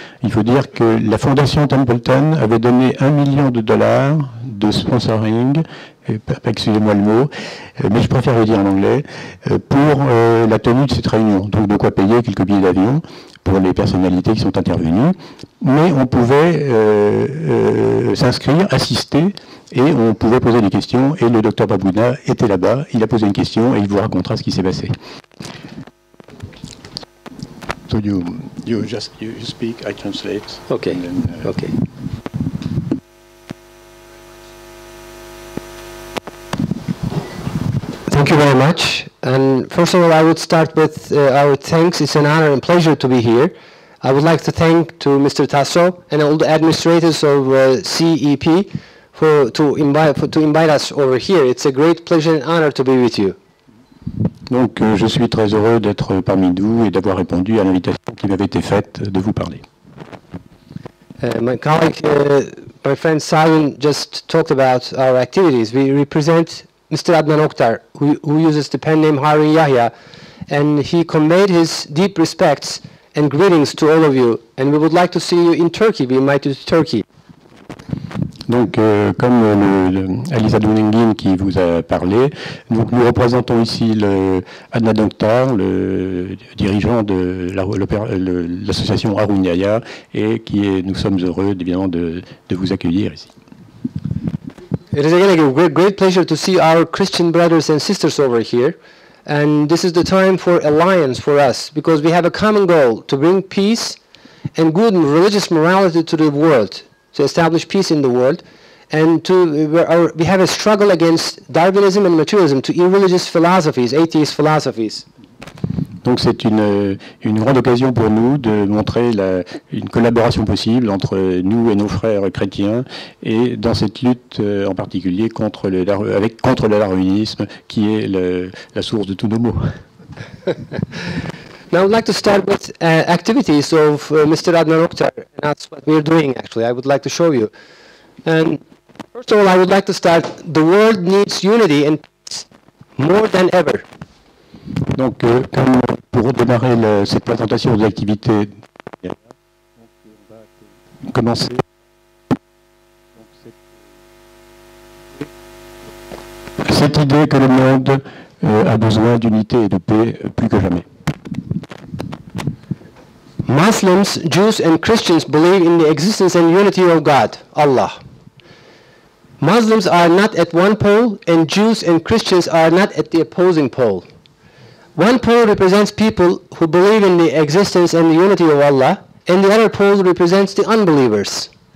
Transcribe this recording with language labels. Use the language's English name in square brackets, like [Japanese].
[French] Il faut dire que la fondation Templeton avait donné $1 million de sponsoring, excusez-moi le mot, mais je préfère le dire en anglais, pour la tenue de cette réunion. Donc de quoi payer quelques billets d'avion pour les personnalités qui sont intervenues. Mais on pouvait s'inscrire, assister, et on pouvait poser des questions. Et le docteur Babouna était là-bas, il a posé une question et il vous racontera ce qui s'est passé. [English] So you speak, I translate. Okay. And then, okay. Thank you very much. And first of all, I would start with our thanks. It's an honor and pleasure to be here. I would like to thank to Mr. Tasso and all the administrators of CEP to invite us over here. It's a great pleasure and honor to be with you. [French] Donc, je suis très heureux d'être parmi vous et d'avoir répondu à l'invitation qui m'avait été faite de vous parler. [English] My colleague, my friend Sayun, just talked about our activities. We represent Mr. Adnan Oktar, who uses the pen name Harun Yahya, and he conveyed his deep respects and greetings to all of you, and we would like to see you in Turkey. We invite you to Turkey. [French] Donc, comme Alisa Dunengin qui vous a parlé, nous représentons ici Adnan Oktar, le dirigeant de l'association Arun Yaya, et nous sommes heureux, évidemment, de vous accueillir ici. [English] It is again a great pleasure to see our Christian brothers and sisters over here, and this is the time for alliance for us, because we have a common goal to bring peace and good religious morality to the world. To establish peace in the world, and we have a struggle against Darwinism and materialism, to irreligious philosophies, atheist philosophies. [French] Donc c'est une grande occasion pour nous de montrer une collaboration possible entre nous et nos frères chrétiens, et dans cette lutte en particulier contre le darwinisme, qui est la source de tous nos maux. [English] Now I'd like to start with activities of Mr. Adnan Oktar, and that's what we're doing actually. I would like to show you. And first of all, I would like to start, the world needs unity and peace more than ever. [French] Donc, comme pour redémarrer cette présentation des activités, commencer. Cette idée que le monde a besoin d'unité et de paix plus que jamais. [English] Muslims, Jews and Christians believe in the existence and unity of God, Allah. Muslims are not at one pole, and Jews and Christians are not at the opposing pole. One pole represents people who believe in the existence and the unity of Allah, and the other pole represents the unbelievers.